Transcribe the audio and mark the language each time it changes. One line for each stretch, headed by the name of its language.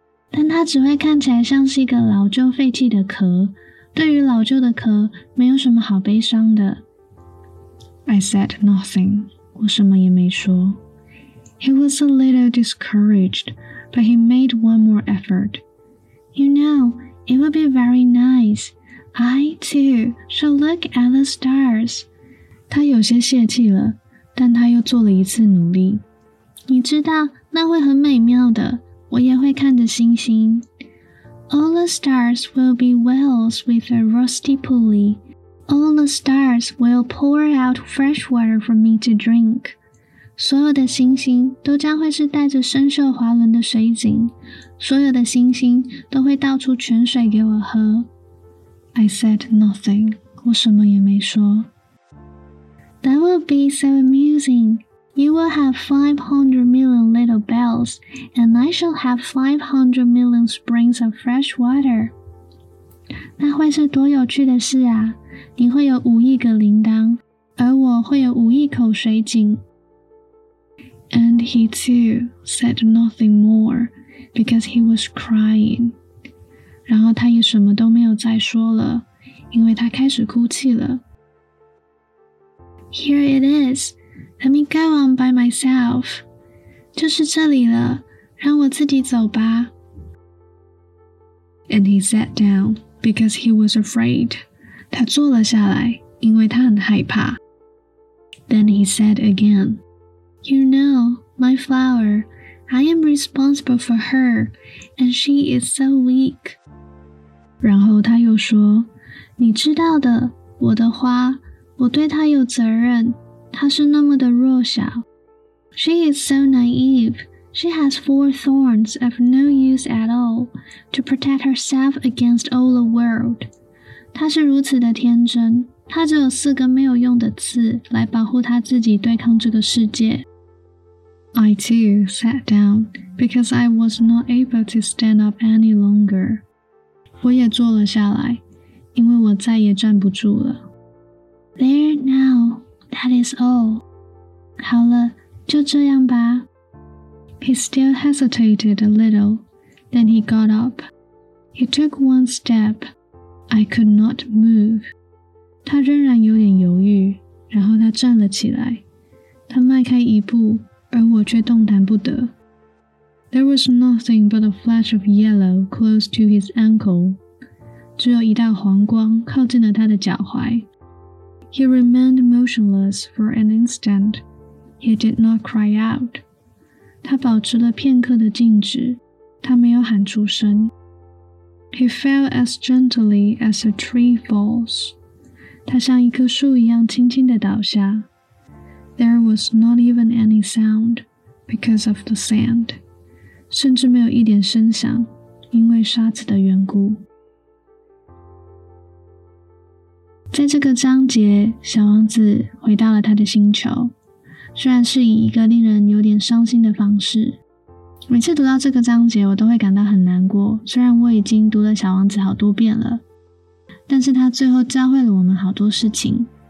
Chinese: 但它只会看起来像是一个老旧废弃的壳，对于老旧的壳，没有什么好悲伤的。
English: I said nothing.
Chinese: 我什么也没说。
English: He was a little discouraged, but he made one more effort. You know, it will be very nice. I, too, shall look at the stars.
Chinese: 他有些泄气了，但他又做了一次努力。你知道，那会很美妙的，我也会看着星星。
English: All the stars will be wells with a rusty pulley. All the stars will pour out fresh water for me to drink.
Chinese: 所有的星星都将会是带着深秀滑轮的水井，所有的星星都会倒出泉水给我喝。
English: I said nothing，
Chinese: 我什么也没说。
English: That will be so amusing. You will have 500 million little bells and I shall have 500 million springs of fresh water.
Chinese: 那会是多有趣的事啊，你会有五亿个铃铛，而我会有五亿口水井。
English: And he too said nothing more, because he was crying.
Chinese: 然后他也什么都没有再说了，因为他开始哭泣了。
English: Here it is. Let me go on by myself.
Chinese: 就是这里了，让我自己走吧。
English: And he sat down, because he was afraid.
Chinese: 他坐了下来，因为他很害怕。
English: Then he said again, You know, my flower, I am responsible for her, and she is so weak.
Chinese: 然后他又说，你知道的，我的花，我对她有责任，她是那么的弱小。
English: She is so naive. She has 4 thorns of no use at all to protect herself against all the world.
Chinese: 她是如此的天真，她只有四根没有用的刺来保护她自己对抗这个世界。
English: I too sat down, because I was not able to stand up any longer.
Chinese: 我也坐了下来，因为我再也站不住了。
English: There now, that is all.
Chinese: 好了，就这样吧。
English: He still hesitated a little, then he got up. He took one step. I could not move.
Chinese: 他仍然有点犹豫，然后他站了起来。他迈开一步，而我却动弹不得。
English: There was nothing but a flash of yellow close to his ankle.
Chinese: 只有一道黄光靠近了他的脚踝。
English: He remained motionless for an instant. He did not cry out.
Chinese: 他保持了片刻的静止，他没有喊出声。
English: He fell as gently as a tree falls.
Chinese: 他像一棵树一样轻轻地倒下。
English: There was not even any sound because of the sand.
Chinese: 甚至没有一点声响，因为沙子的缘故。在这个章节，小王子回到了他的星球，虽然是以一个令人有点伤心的方式。每次读到这个章节，我都会感到很难过，虽然我已经读了小王子好多遍了，但是他最后教会了我们好多事情。